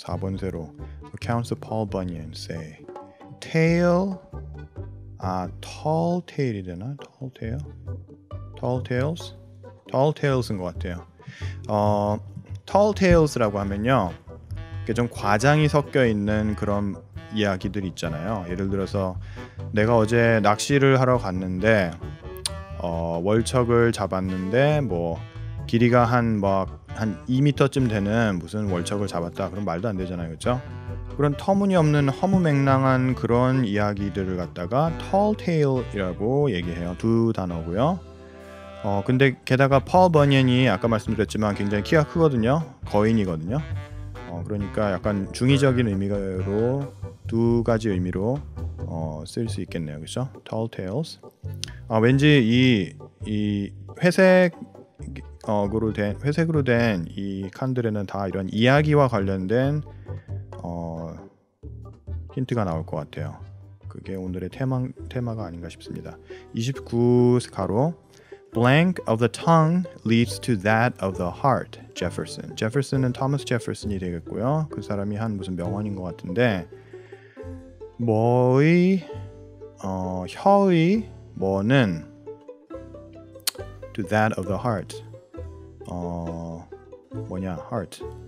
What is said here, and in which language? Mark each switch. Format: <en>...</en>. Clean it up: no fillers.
<ko>4번 새로</ko> <en>accounts of Paul Bunyan say tail 아 tall tail이 되나? tall tail? Tall Tales?</en> <ko>Tall Tales인 것 같아요. Tall Tales라고 하면요. 이게 좀 과장이 섞여 있는 그런 이야기들 있잖아요. 예를 들어서 내가 어제 낚시를 하러 갔는데 월척을 잡았는데 뭐 길이가 한 2m쯤 되는 무슨 월척을 잡았다. 그럼 말도 안 되잖아요. 그렇죠? 그런 터무니없는 허무맹랑한 그런 이야기들을 갖다가 Tall Tale이라고 얘기해요. 두 단어고요. 근데 게다가 폴 버니언이 아까 말씀드렸지만 굉장히 키가 크거든요. 거인이거든요. 그러니까 약간 중의적인 의미로 두 가지 의미로 쓸 수 있겠네요. 그렇죠?</ko> <en>Tall tales.</en> <ko>왠지 이 회색으로 된 이 칸들에는 다 이런 이야기와 관련된 힌트가 나올 것 같아요. 그게 오늘의 테마가 아닌가 싶습니다. 29가로</ko> <en>blank of the tongue leads to that of the heart. Jefferson.</en> <ko>Jefferson은 Thomas Jefferson이 되겠고요. 그 사람이 한 무슨 명언인 것 같은데 뭐의 혀의 뭐는 to that of the heart. 뭐냐? heart.</ko>